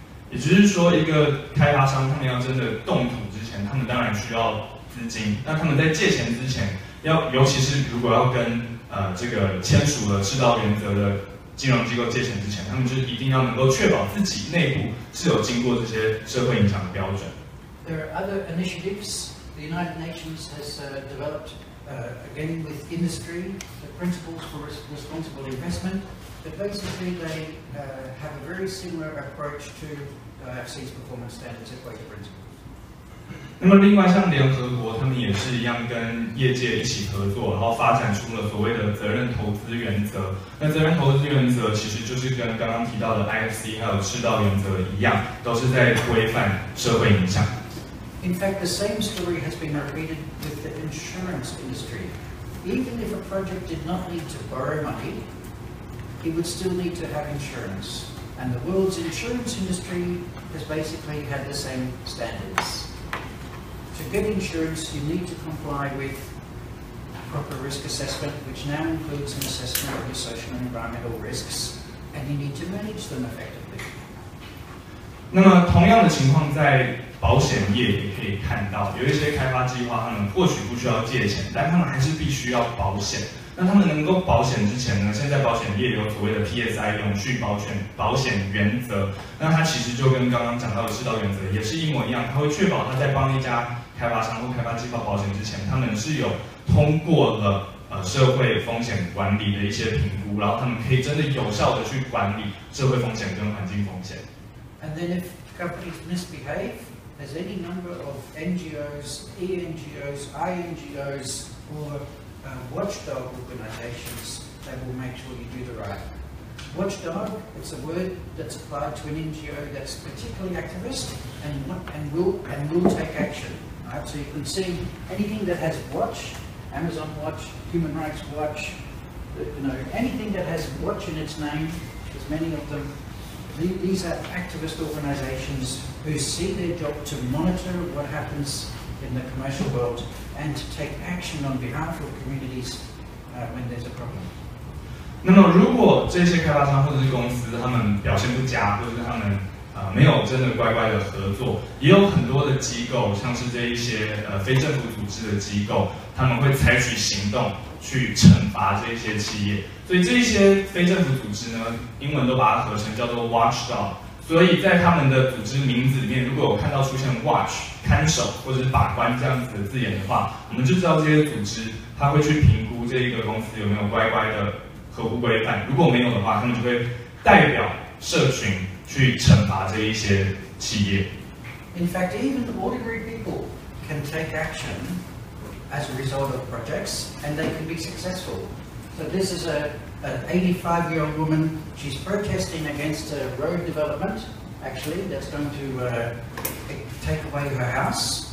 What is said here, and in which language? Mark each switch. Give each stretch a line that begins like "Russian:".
Chinese: 也就是说，一个开发商他们要真的动土之前，他们当然需要资金。那他们在借钱之前，尤其是如果要跟这个签署了赤道原则的金融机构借钱之前，他们就一定要能够确保自己内部是有经过这些社会影响的标准。
English: There are other initiatives. The United Nations has developed again with industry the principles for responsible investment. But basically, they have a very similar approach to IFC's performance standards at Equator Principles.
Chinese: 那么另外像联合国，他们也是一样跟业界一起合作，然后发展出了所谓的责任投资原则。那责任投资原则其实就是跟刚刚提到的 IFC 还有赤道原则一样，都是在规范社会影响。
English: In fact, the same story has been repeated with the insurance industry. Even if a project did not need to borrow money. He would still need to have insurance, and the world's insurance industry has basically had the same standards. To get insurance, you need to comply with proper risk assessment, which now includes an assessment of your social and environmental risks, and you need to manage them effectively.
Chinese: 那么，同样的情况在保险业也可以看到，有一些开发计划，他们或许不需要借钱，但他们还是必须要保险。那他们能够保险之前呢，现在保险业有所谓的 PSI 永续保险原则，那它其实就跟刚刚讲到的世道原则也是一模一样，它会确保它在帮一家开发商或开发计划保险之前，他们是有通过了社会风险管理的一些评估，然后他们可以真的有效的去管理社会风险跟环境风险。
English: And then if companies misbehave, there's any number of NGOs, ENGOs, INGOs, or watchdog organizations that will make sure you do the right. Watchdog, it's a word that's applied to an NGO that's particularly activist and will take action. Right? So you can see anything that has watch, Amazon Watch, Human Rights Watch, you know, anything that has watch in its name, there's many of them. These are activist organizations who see their job to monitor what happens in the commercial world and to take action on behalf of communities when there's a problem.
Chinese: 那么如果这些开发商或者是公司他们表现不佳，或者是他们没有真的乖乖的合作，也有很多的机构，像是这一些非政府组织的机构，他们会采取行动去惩罚这些企业。所以这些非政府组织呢，英文都把它合成叫做 watchdog。所以在他们的组织名字里面，如果有看到出现 watch 看守或者是把关这样子的字眼的话，我们就知道这些组织他会去评估这一个公司有没有乖乖的合乎规范。如果没有的话，他们就会代表社群去惩罚这一些企业。
English: In fact, even the ordinary people can take action as a result of projects, and they can be successful. So this is an 85-year-old woman. She's protesting against a road development, actually, that's going to take away her house.